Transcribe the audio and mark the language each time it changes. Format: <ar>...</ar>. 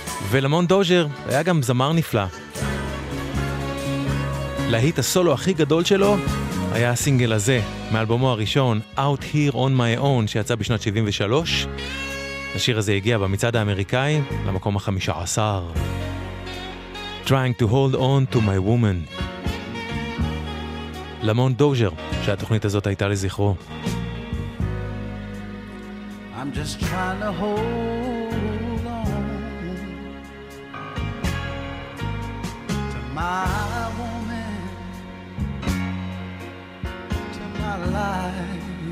<he>ולמון דוז'ר היה גם זמר נפלא. להיט הסולו הכי גדול שלו היה הסינגל הזה, מאלבומו הראשון, Out Here On My Own, שיצא בשנת 73. השיר הזה הגיע במצעד האמריקאי למקום ה-15.</he> <en>Trying to hold on to my woman.</en> <he>למון דוז'ר, שהתוכנית הזאת הייתה לזכרו.</he> <en>I'm just trying to hold on to my woman, to my life.</en>